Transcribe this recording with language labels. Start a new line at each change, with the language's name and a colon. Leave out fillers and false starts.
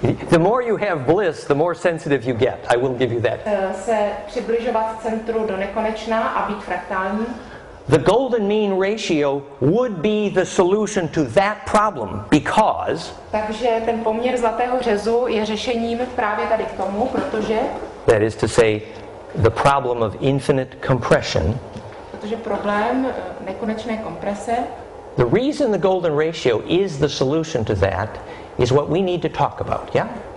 English: The more you have bliss, the more sensitive you get. I will give you that.
Czech: Se přibližovat centru do nekonečna a být fraktální.
English: The golden mean ratio would be the solution to that problem because.
Czech: Takže ten poměr zlatého řezu je řešením právě tady k tomu, protože.
English: That is to say, the problem of infinite compression.
Czech: Protože problém nekonečné komprese.
English: The reason the golden ratio is the solution to that is what we need to talk about, yeah?